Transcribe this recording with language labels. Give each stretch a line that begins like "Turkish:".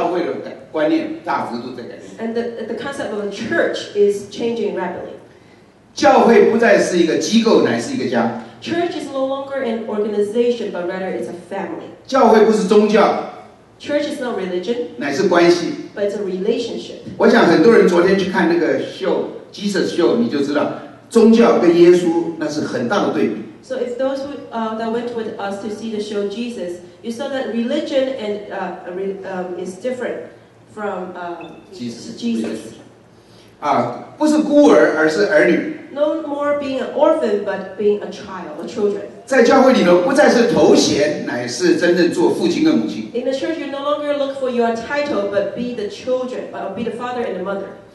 Chinese: 就是教会，对教会的观念大幅度在改变。
English: And the concept of the church is changing rapidly.
Chinese: 教会不再是一个机构，乃是一个家。
English: Church is no longer an organization, but rather it's a family.
Chinese: 教会不是宗教。
English: Church is not religion.
Chinese: 乃是关系。
English: But it's a relationship.
Chinese: 我想很多人昨天去看那个 show, Jesus show, 你就知道宗教跟耶稣那是很大的对比。
English: So if those who, that went with us to see the show Jesus, you saw that religion and, is different from Jesus.
Chinese: 不是孤儿，而是儿女。
English: No more being an orphan, but being a child, a children.
Chinese: 在教会里头，不再是头衔，乃是真正做父亲跟母亲。
English: In the church, you no longer look for your title, but be the children, but be the father and the mother.